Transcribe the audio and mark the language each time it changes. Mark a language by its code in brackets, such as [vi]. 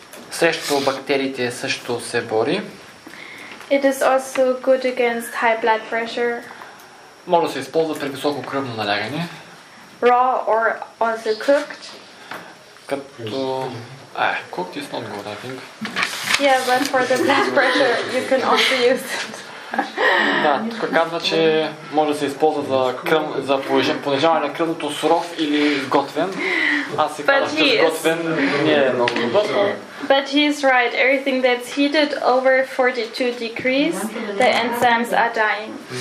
[bg] Срещу бактериите също се бори. [en] It is also good against high blood pressure. [bg] Може да се използва при високо кръвно налягане. [en] Raw or also cooked. [bg] Като... [en] cooked is not good, I think. Yeah, but for the blood pressure you can also use it. [bg] Да, тук казва, че може да се използва за кръм, за понижаване на кръвното, суров или готвен. Аз си казвам, че готвен не е много добро. [en] But he is right. Everything that's heated over 42 degrees, the enzymes are dying.